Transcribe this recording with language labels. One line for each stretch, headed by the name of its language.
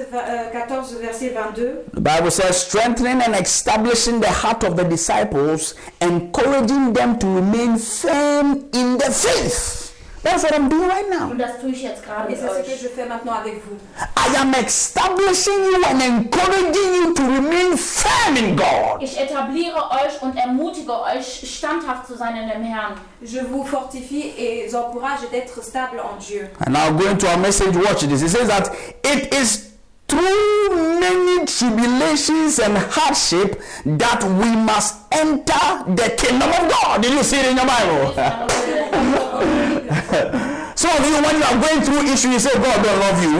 English: The Bible says, strengthening and establishing the heart of the disciples, encouraging them to remain firm in the faith. That's what I'm doing right now. I am establishing you and encouraging you to remain firm in God.
German: Ich etabliere euch und ermutige euch, standhaft zu sein in dem Herrn.
French: Je vous fortifie et encourage d'être stable en Dieu.
English: And now going to our message, watch this. It says that it is through many tribulations and hardship that we must enter the kingdom of God. Did you see it in your Bible? Some of you, when you are going through issues, you say, God don't love you.